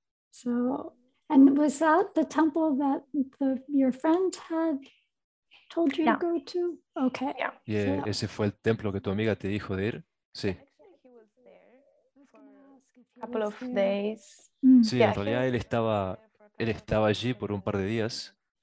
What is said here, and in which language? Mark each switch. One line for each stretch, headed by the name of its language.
English: So, and was that the temple that your friend had told you to go to? Okay. Yeah. Yeah.
Spanish: So, ese fue el templo que tu amiga te dijo de ir. Sí.
English: Actually, he was there for a couple of days.
Spanish: Sí, yeah, en realidad él estaba allí por un par de días.